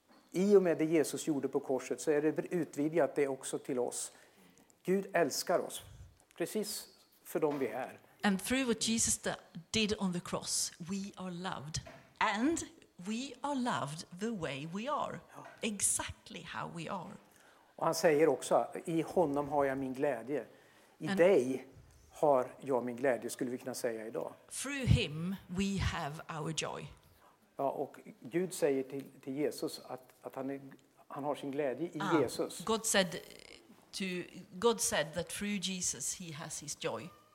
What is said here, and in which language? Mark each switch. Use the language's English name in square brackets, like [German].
[Swedish] I och med det Jesus gjorde på korset, så är det utvidgat det också till oss. Gud älskar oss precis för dem vi är. [English] And through what Jesus did on the cross, we are loved. And we are loved the way we are. Exactly how we are. [Swedish] Och han säger också, i honom har jag min glädje. I dig har jag min glädje, skulle vi kunna säga idag. [English] Through him we have our joy. [Swedish] Ja, och Gud säger till Jesus att han har sin glädje i Jesus. [English] God said that through Jesus he has his joy.